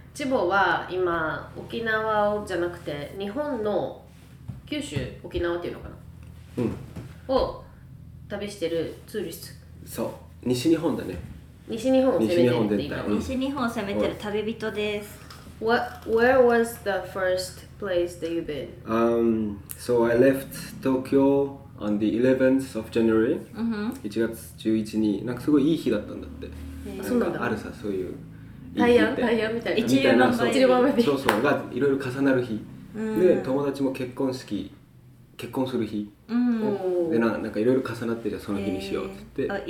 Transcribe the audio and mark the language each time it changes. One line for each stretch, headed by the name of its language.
Japanese: チボは今沖縄じゃなくて日本の九州、沖縄っていうのかな、うん、を旅してるツーリスト。そう、西日本だね。西日本を攻めてるって言うの。西日本を攻めてる旅人です。
English: Where was the first place that you've been? So I left Tokyo on the 11th of January.
Japanese: 1月11日に、なんかすごいいい日だったんだって。そうなんだ。あるさ、そういう。太陽、太陽みたいな。一流万倍。一流万倍。そうそう、がいろいろ重なる日。で、友達も結婚する日、うん、で、なんかいろいろ重なってじゃその日にしようって言って、